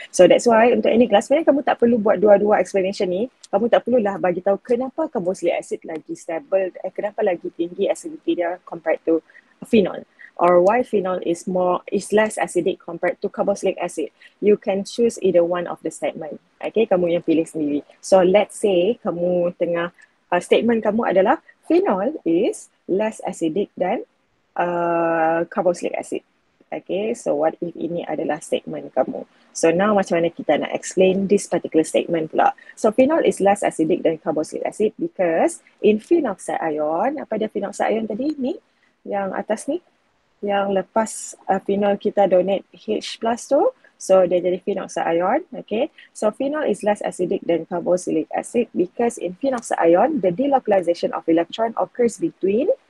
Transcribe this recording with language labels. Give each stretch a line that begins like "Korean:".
English: So that's why
Malay: untuk
English: any class,
Malay: sebenarnya kamu tak perlu buat dua-dua explanation ni. Kamu tak perlulah bagi tahu kenapa
English: carboxylic acid lagi stable,
Malay: kenapa lagi tinggi
English: acidity dia compared to phenol, or why phenol is more is less acidic compared to carboxylic acid. You can choose either one of the statement.
Malay: Okay, kamu yang pilih sendiri.
English: So let's say
Malay: kamu tengah
English: statement
Malay: kamu adalah
English: phenol is less acidic than carboxylic acid. Okay, so what if
Malay: ini adalah
English: statement kamu? So now
Malay: macam mana kita nak
English: explain this particular statement
Malay: pula?
English: So phenol is less acidic than carboxylic acid because in phenoxide ion,
Malay: apa dia
English: phenoxide ion
Malay: tadi ni? Yang atas ni? Yang lepas phenol kita donate H plus tu, so dia jadi phenoxide ion.
English: Okay, so phenol is less acidic than carboxylic acid because in phenoxide ion, the delocalization of electron occurs between.